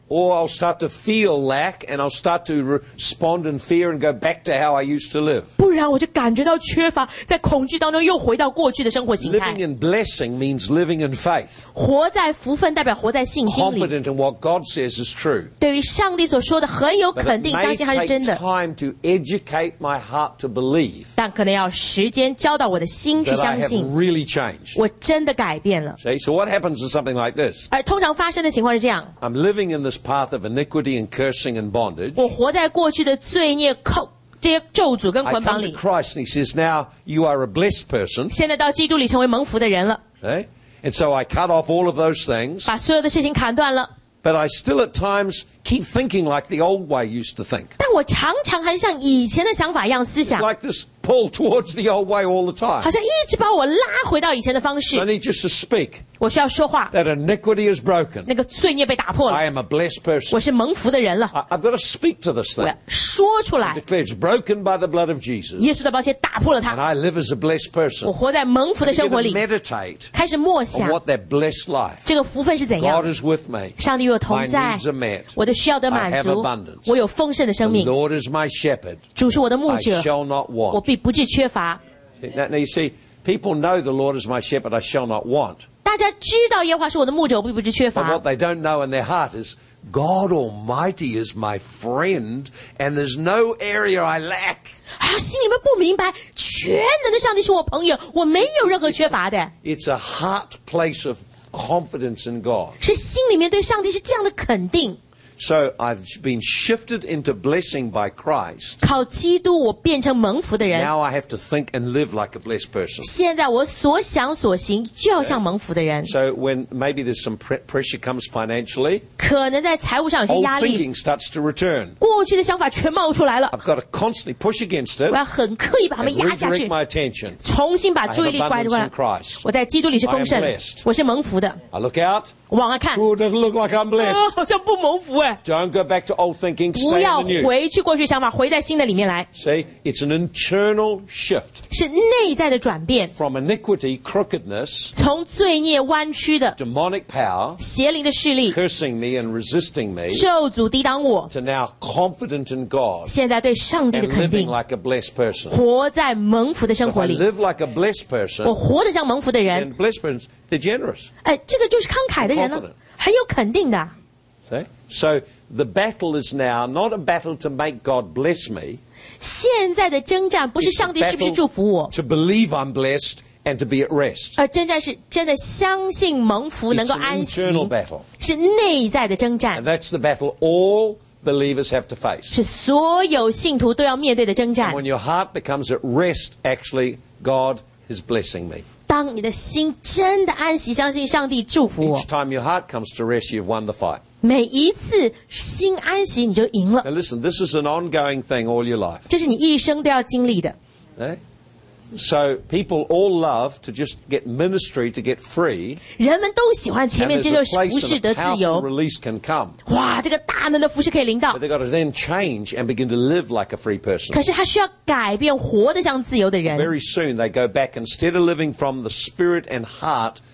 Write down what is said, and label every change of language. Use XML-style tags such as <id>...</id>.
<en>Or I'll start to feel lack and I'll start to respond in fear and go back to how I used to live.</en> <zh>不然我就感觉到缺乏在恐惧当中又回到过去的生活形态。</zh> <en>Living in blessing means living in faith.</en> <zh>活在福分代表活在信心里。</zh> <en>Confident in what God says is true.</en> <zh>对于上帝所说的很有肯定相信他是真的。</zh> <en>But it may take time to educate my heart to believe.</en> <zh>但可能要时间教导我的心去相信。</zh> <en>That I have really changed.</en> <zh>我真的改变了。</zh> <en>See, so what happens is something like this.</en> <zh>而通常发生的情况是这样。</zh> <en>I'm living in this path of iniquity and cursing and bondage.</en> <zh>我活在过去的罪孽, 这些咒诅跟捆绑里。</zh> <en>I come to Christ and he says, now you are a blessed person.</en> <zh>现在到基督里成为蒙福的人了。</zh> <en>Okay? And so I cut off all of those things.</en> <zh>把所有的事情砍断了。</zh> <en>But I still at times keep thinking like the old way used to think.</en> <zh>但我常常还是像以前的想法一样思想。</zh> <en>It's like this pull towards the old way all the time.</en> <zh>好像一直把我拉回到以前的方式。</zh> <en>I need just to speak.</en> <zh>我需要说话,</zh> <en>that iniquity is broken.</en> <zh>那个罪孽被打破了,</zh> <en>I am a blessed person.</en> <zh>我是蒙福的人了,</zh> <en>I've got to speak to this thing.</en> <zh>我要说出来,</zh> <en>and declare it's broken by the blood of Jesus.</en> <zh>耶稣的宝血打破了它,</zh> <en>and I live as a blessed person.</en> <zh>我活在蒙福的生活里,</zh> <en>and meditate,</en> <zh>开始默想,</zh> <en>on what that blessed life.</en> <zh>这个福分是怎样?</zh> <en>God is with me.</en> <zh>上帝与我同在,</zh> <en>my needs are met.</en> <zh>我的需要得满足,</zh> <en>I have abundance.</en> <zh>我有丰盛的生命,</zh> <en>the Lord is my shepherd.</en> <zh>主是我的牧者,</zh> <en>I shall not want.</en> <zh>我必不致缺乏。</zh> <en>Now you see, people know the Lord is my shepherd, I shall not want.</en> <zh>大家知道耶和华是我的牧者, 我并不知缺乏。</zh> <en>But what they don't know in their heart is God Almighty is my friend and there's no area I lack.</en> <zh>心里面不明白, 全能的上帝是我朋友, 我没有任何缺乏的。</zh> <en>It's a heart place of confidence in God.</en> <zh>是心里面对上帝是这样的肯定。</zh> <en>So I've been shifted into blessing by Christ.</en> <zh>靠基督我变成蒙福的人。</zh> <en>Now I have to think and live like a blessed person.</en> <zh>现在我所想所行就要像蒙福的人。</zh> <en>So when maybe there's some pressure comes financially,</en> <zh>可能在财务上有些压力,</zh> <en>old thinking starts to return.</en> <zh>过去的想法全冒出来了。</zh> <en>I've got to constantly push against it.</en> <zh>我要很刻意把它们压下去。</zh> <en>And redirect my attention.</en> <zh>重新把注意力关过来。我在基督里是丰盛。</zh> <en>I'm blessed.</en> <zh>我是蒙福的。</zh> <en>I look out.</en> <zh>往外看,</zh> <en>oh, it doesn't look like I'm blessed.</en> <zh>好像不蒙福哎。</zh> <en>Don't go back to old thinking, stay in the new.</en> <zh>不要回去过去想法, 回在新的里面来。</zh> <en>See, it's an internal shift.</en> <zh>是内在的转变。</zh> <en>From iniquity, crookedness,</en> <zh>从罪孽弯曲的,</zh> <en>demonic power,</en> <zh>邪灵的势力,</zh> <en>cursing me and resisting me,</en> <zh>咒诅抵挡我,</zh> <en>to now confident in God,</en> <zh>现在对上帝的肯定,</zh> <en>and living like a blessed person.</en> <zh>活在蒙福的生活里。</zh> <en>If I live like a blessed person,</en> <zh>我活得像蒙福的人,</zh> <en>and blessed persons, they're generous.</en> <zh>这个就是慷慨的人呢。很有肯定的。</zh> <en>See? So the battle is now not a battle to make God bless me.</en> <zh>现在的征战不是上帝是不是祝福我。</zh> <en>To believe I'm blessed and to be at rest.</en> <zh>征战是真的相信蒙福能够安息。</zh> <en>It's an internal battle.</en> <zh>是内在的征战。</zh> <en>And that's the battle all believers have to face.</en> <zh>是所有信徒都要面对的征战。</zh> <en>And when your heart becomes at rest, actually, God is blessing me.</en> <zh>当你的心真的安息，相信上帝祝福我。</zh> <en>Each time your heart comes to rest, you've won the fight.</en> <zh>每一次心安息，你就赢了。</zh> <en>Now listen, this is an ongoing thing all your life.</en> <zh>这是你一生都要经历的。</zh> <en>So people all love to just get ministry to get free.</en> <zh>人们都喜欢前面接受服事得自由。</zh> <en>And release can come.</en> <zh>哇，这个大能的服事可以临到。</zh> <en>But they've got to then change and begin to live like a free person.</en> <zh>可是他需要改变，活得像自由的人。</zh> <en>Very soon they go back instead of living from the spirit and heart.</en>